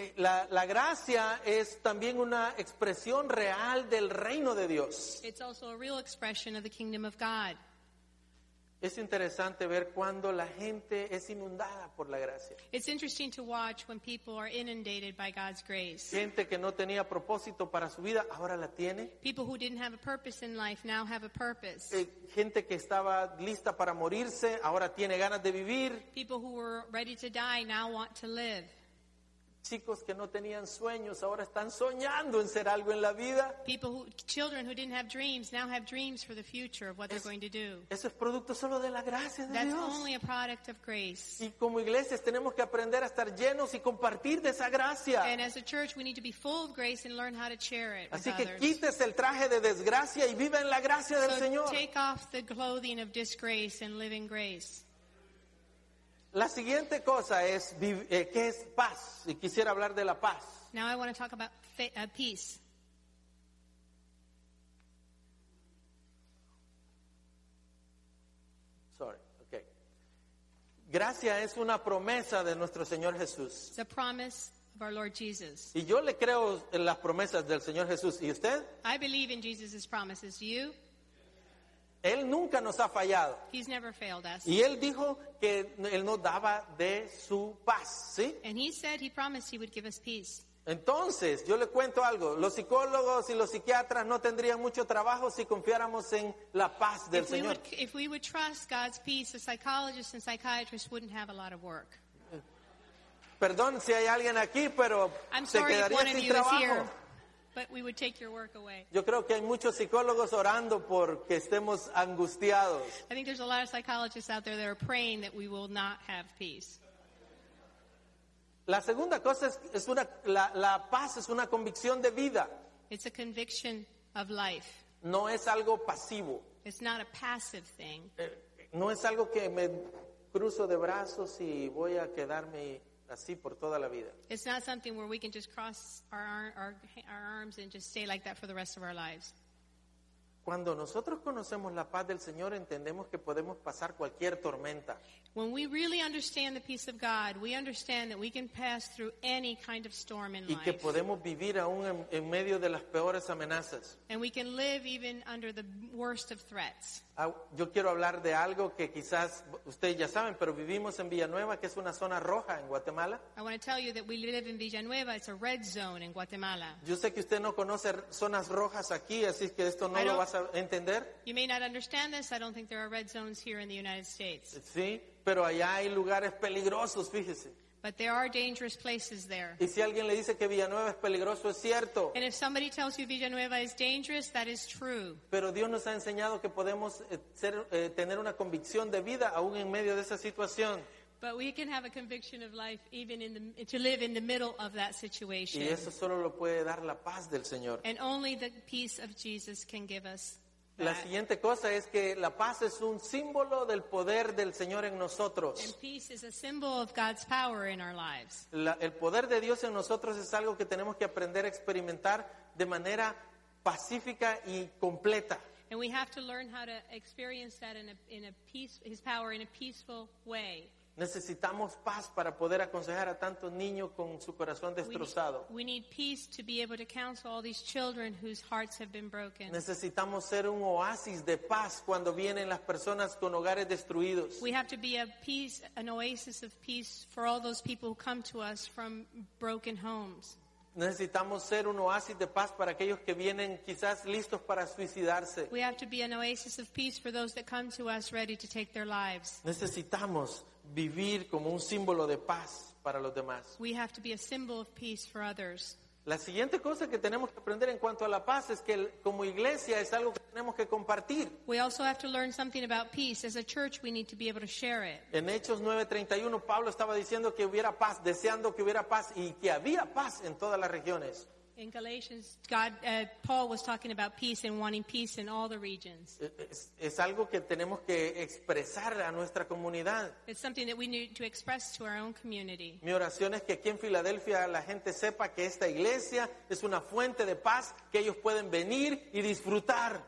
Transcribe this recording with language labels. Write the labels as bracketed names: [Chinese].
[Spanish] La gracia es también una expresión real del reino de Dios. [English] It's also a real expression of the kingdom of God. [Spanish] Es interesante ver cuando la gente es inundada por la gracia. [English] It's interesting to watch when people are inundated by God's grace. [Spanish] Gente que no tenía propósito para su vida, ahora la tiene. [English] People who didn't have a purpose in life now have a purpose. [Spanish] Gente que estaba lista para morirse, ahora tiene ganas de vivir. [English] People who were ready to die now want to live. [Spanish] Chicos que no tenían sueños ahora están soñando en ser algo en la vida. [English] People who, children who didn't have dreams now have dreams for the future of what they're going to do. [Spanish] Eso es producto solo de la gracia de [English] That's [Spanish] Dios. [English] That's only a product of grace. [Spanish] Y como iglesias tenemos que aprender a estar llenos y compartir de esa gracia. [English] And as a church we need to be full of grace and learn how to share it. [Spanish] Así que quites el traje de desgracia y vive en la gracia [English] so [Spanish] del Señor. [English] Take off the clothing of disgrace and live in grace. [Spanish] La siguiente cosa es qué es paz y quisiera hablar de la paz. [English] Now I want to talk about peace. Sorry, okay. [Spanish] Gracia es una promesa de nuestro Señor Jesús. [English] It's a promise of our Lord Jesus. [Spanish] Y yo le creo en las promesas del Señor Jesús. ¿Y usted? [English] I believe in Jesus's promises. Do you? [Spanish] Él nunca nos ha fallado. [English] He's never failed us. [Spanish] Y él dijo que él nos daba de su paz, ¿sí? [English] And he said he promised he would give us peace. [Spanish] Entonces, yo le cuento algo. Los psicólogos y los psiquiatras no tendrían mucho trabajo si confiáramos en la paz del Señor. [English] If we would trust God's peace, the psychologists and psychiatrists wouldn't have a lot of work. [Spanish] Perdón si hay alguien aquí, pero se quedaría sin trabajo. [English] But we would take your work away. [Spanish] Yo creo que hay muchos psicólogos orando porque estemos angustiados. [English] I think there's a lot of psychologists out there that are praying that we will not have peace. [Spanish] La segunda cosa es una la paz es una convicción de vida. [English] It's a conviction of life. [Spanish] No es algo pasivo. [English] It's not a passive thing. [Spanish] No es algo que me cruzo de brazos y voy a quedarme así por toda la vida. [English] It's not something where we can just cross our arms and just stay like that for the rest of our lives. [Spanish] Cuando nosotros conocemos la paz del Señor, entendemos que podemos pasar cualquier tormenta. [English] When we really understand the peace of God, we understand that we can pass through any kind of storm in life. [Spanish] Y que podemos vivir aún en medio de las peores amenazas. [English] And we can live even under the worst of threats. [Spanish] Yo quiero hablar de algo que quizás ustedes ya saben, pero vivimos en Villanueva, que es una zona roja en Guatemala. [English] I want to tell you that we live in Villanueva, it's a red zone in Guatemala. [Spanish] Yo sé que usted no conoce zonas rojas aquí, así que esto no lo vas a entender. [English] You may not understand this, I don't think there are red zones here in the United States. [Spanish] Sí, pero allá hay lugares peligrosos, fíjese. [English] But there are dangerous places there. [Spanish] Y si alguien le dice que Villanueva es peligroso, es cierto. [English] And if somebody tells you Villanueva is dangerous, that is true. [Spanish] Pero Dios nos ha enseñado que podemos tener una convicción de vida aún en medio de esa situación. [English] But we can have a conviction of life even to live in the middle of that situation. [Spanish] Y eso solo lo puede dar la paz del Señor. [English] And only the peace of Jesus can give us. [Spanish] La siguiente cosa es que la paz es un símbolo del poder del Señor en nosotros. [English] And peace is a symbol of God's power in our lives. [Spanish] El poder de Dios en nosotros es algo que tenemos que aprender a experimentar de manera pacífica y completa. [English] And we have to learn how to experience that His power in a peaceful way. [Spanish] Necesitamos paz para poder aconsejar a tantos niños con su corazón destrozado. [English] We need peace to be able to counsel all these children whose hearts have been broken. [Spanish] Necesitamos ser un oasis de paz cuando vienen las personas con hogares destruidos. [English] We have to be an oasis of peace for all those people who come to us from broken homes. [Spanish] Necesitamos ser un oasis de paz para aquellos que vienen quizás listos para suicidarse. [English] We have to be an oasis of peace for those that come to us ready to take their lives. [Spanish] Necesitamos vivir como un símbolo de paz para los demás. [English] We have to be a symbol of peace for others. [Spanish] La siguiente cosa que tenemos que aprender en cuanto a la paz es que como iglesia es algo que tenemos que compartir. [English] We also have to learn something about peace. As a church, we need to be able to share it. [Spanish] En Hechos 9:31, Pablo estaba diciendo que hubiera paz, deseando que hubiera paz y que había paz en todas las regiones. [English] In Galatians, Paul was talking about peace and wanting peace in all the regions. [Spanish] Es algo que tenemos que expresar a nuestra comunidad. [English] It's something that we need to express to our own community. [Spanish] Mi oración es que aquí en Filadelfia la gente sepa que esta iglesia es una fuente de paz que ellos pueden venir y disfrutar.